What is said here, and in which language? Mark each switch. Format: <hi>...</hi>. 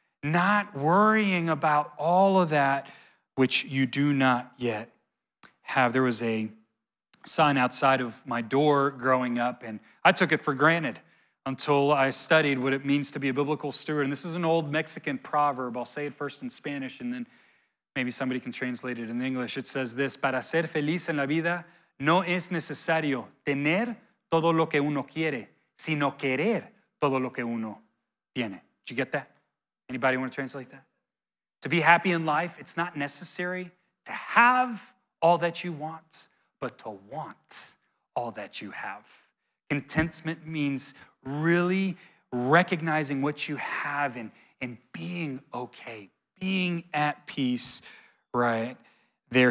<en>Not worrying about all of that which you do not yet have. There was a sign outside of my door growing up, and I took it for granted until I studied what it means to be a biblical steward. And this is an old Mexican proverb. I'll say it first in Spanish, and then maybe somebody can translate it in English. It says this:</en> <es>para ser feliz en la vida, no es necesario tener todo lo que uno quiere, sino querer todo lo que uno tiene.</es> <en>Did you get that? Anybody want to translate that? To be happy in life, it's not necessary to have all that you want, but to want all that you have. Contentment means really recognizing what you have and being okay, being at peace right there.</en>